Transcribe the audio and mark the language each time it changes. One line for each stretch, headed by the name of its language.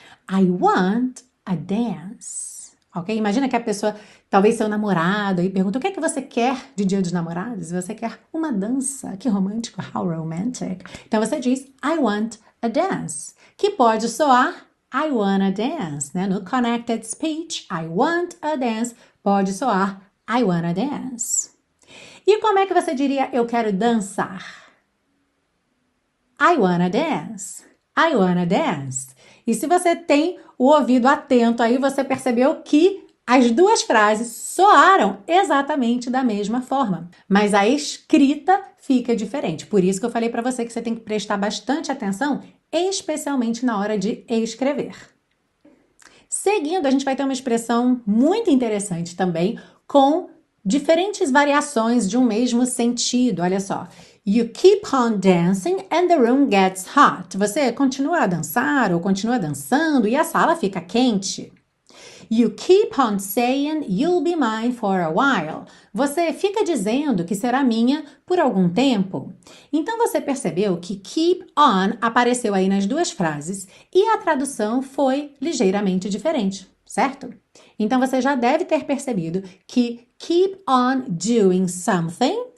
English: I want a dance. Ok?
Portuguese: Imagina que a pessoa, talvez seu namorado, e pergunta: o que é que você quer de Dia dos Namorados? Você quer uma dança. Que romântico.
English: How romantic.
Portuguese: Então você diz:
English: I want a dance.
Portuguese: Que pode soar:
English: I wanna dance.
Portuguese: Né?
English: No connected speech, I want a dance.
Portuguese: Pode soar:
English: I wanna dance.
Portuguese: E como é que você diria: eu quero dançar?
English: I wanna dance. I wanna dance.
Portuguese: E se você tem o ouvido atento aí, você percebeu que as duas frases soaram exatamente da mesma forma, mas a escrita fica diferente. Por isso que eu falei para você que você tem que prestar bastante atenção, especialmente na hora de escrever. Seguindo, a gente vai ter uma expressão muito interessante também, com diferentes variações de um mesmo sentido. Olha só.
English: You keep on dancing and the room gets hot.
Portuguese: Você continua a dançar ou continua dançando e a sala fica quente.
English: You keep on saying you'll be mine for a while.
Portuguese: Você fica dizendo que será minha por algum tempo. Então você percebeu que keep on apareceu aí nas duas frases e a tradução foi ligeiramente diferente, certo? Então você já deve ter percebido que
English: keep on doing something